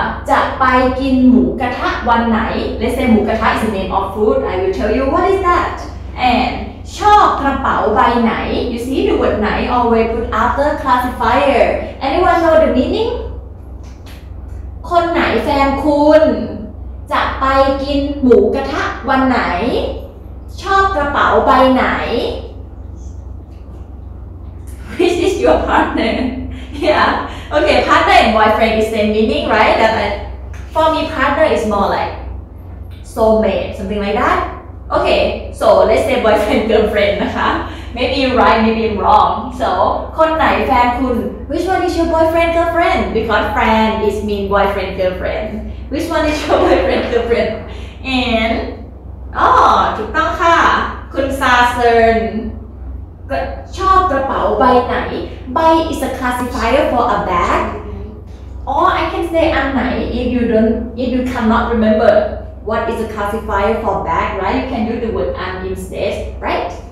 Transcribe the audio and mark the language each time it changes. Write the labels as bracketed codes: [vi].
[th] จะไปกินหมูกระทะวันไหน [en] let's say หมูกระทะ is the name of food I will tell you what is that and [th] ชอบกระเป๋าใบไหน [en] You see the word ไหน always put after classifier Anyone know the meaning? [th] คนไหนแฟนคุณจะไปกินหมูกระทะวันไหนชอบกระเป๋าใบไหน [en] Which is your partner? Yeah Okay partner and boyfriend is same meaning right? That for me partner is more like soulmate something like thatOkay, so let's say boyfriend, girlfriend, [th] นะคะ [en] Maybe you're right, maybe you're wrong. So, [th] คนไหนแฟนคุณ [en] Which one is your boyfriend, girlfriend? Because friend is mean boyfriend, girlfriend. Which one is your boyfriend, girlfriend? And, [th] ถูกต้องค่ะ คุณซาเซินชอบกระเป๋าใบไหน [en] ใบ is a classifier for a bag. Or I can say อันไหน if you cannot remember. What is a classifier for bag, right? You can use the word an instead, right?